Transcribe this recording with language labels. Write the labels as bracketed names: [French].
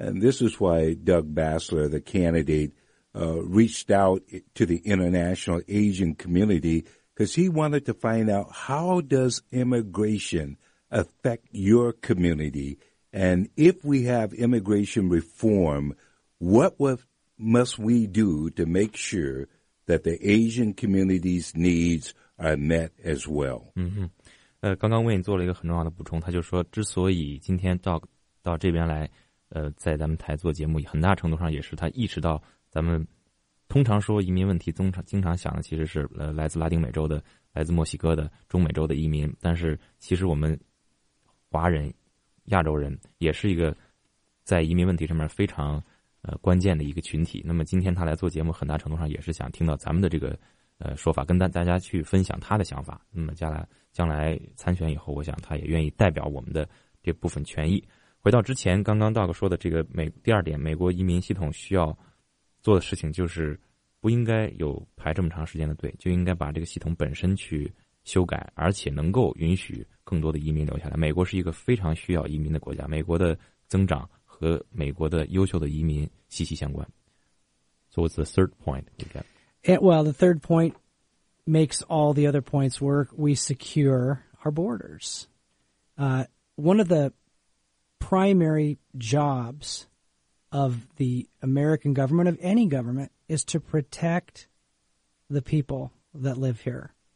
[English] And this is why Doug Bassler, the candidate, reached out to the international Asian community because he wanted to find out how does immigration affect your community? And if we have immigration reform, what must we do to make sure that the Asian community's needs are met as well? Mm-hmm. [Chinese] 刚刚 Wayne 做了一个很重要的补充，他就说之所以今天 Doug 到这边来在咱们台做节目，很大程度上也是他意识到咱们通常说移民问题经常想的其实是来自拉丁美洲的，来自墨西哥的，中美洲的移民，但是其实我们华人亚洲人也是一个在移民问题上面非常关键的一个群体。那么今天他来做节目，很大程度上也是想听到咱们的这个说法，跟大家去分享他的想法。那么将来参选以后，我想他也愿意代表我们的这部分权益。回到之前刚刚道哥说的这个第二点，美国移民系统需要做的事情就是不应该有排这么长时间的队，就应该把这个系统本身去修改，而且能够允许更多的移民留下来。美国是一个非常需要移民的国家，美国的增长和美国的优秀的移民息息相关。 [English] So what's the third point you get? Well, the third point makes all the other points work. We secure our borders. One of the primary jobs of the American government, of any government, is to protect the people that live here.